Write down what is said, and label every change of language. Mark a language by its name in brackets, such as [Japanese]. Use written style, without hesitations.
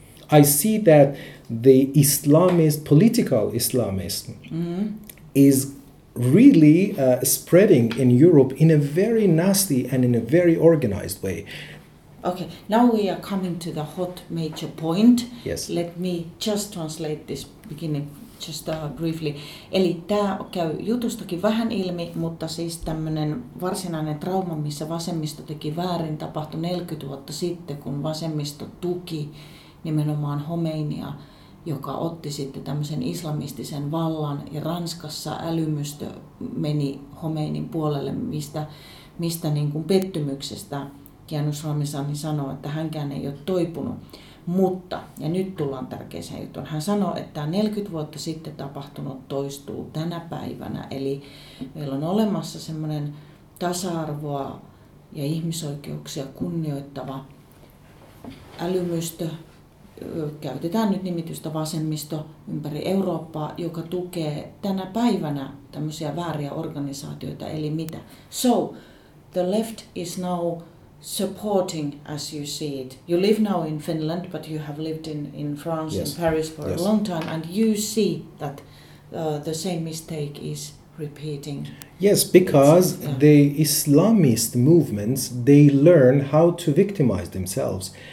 [English] I see that the Islamist, political Islamism, is really spreading in Europe in a very nasty and in a very organized way. Okay, now we are coming to the hot major point. Yes. Let me just translate this beginning just briefly. [Finnish] Eli tämä käy jutustakin vähän ilmi, mutta siis tämmöinen varsinainen trauma, missä vasemmisto teki väärin, tapahtui 40 vuotta sitten, kun vasemmisto tuki nimenomaan Khomeinia, joka otti sitten tämmöisen islamistisen vallan, ja Ranskassa älymystö meni Khomeinin puolelle, mistä niin kuin pettymyksestä Kianush Ramezani sanoi, että hänkään ei ole toipunut. Mutta, ja nyt tullaan tärkeään juttuun, hän sanoi, että 40 vuotta sitten tapahtunut toistuu tänä päivänä, eli meillä on olemassa semmoinen tasa-arvoa ja ihmisoikeuksia kunnioittava älymystö, käytetään nyt nimitystä vasemmisto ympäri Eurooppaa, joka tukee tänä päivänä tämmöisiä vääriä organisaatioita, eli mitä? [English] So, the left is now supporting, as you see it. You live now in Finland, but you have lived in France, yes, in Paris for yes. a long time, and you see that the same mistake is repeating. Yes, because the Islamist movements, they learn how to victimize themselves.